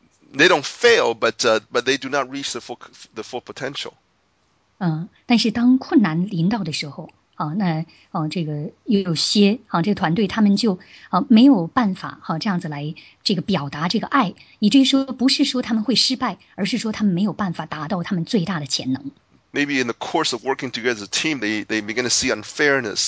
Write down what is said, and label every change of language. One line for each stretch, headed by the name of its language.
English: They don't fail, but they do not reach the full potential.
Chinese: 但是当困难临到的时候，这个有些这个团队他们就没有办法这样子来这个表达这个爱，以至于说不是说他们会失败，而是说他们没有办法达到他们最大的潜能。
English: Maybe in the course of working together as a team, they begin to see unfairness.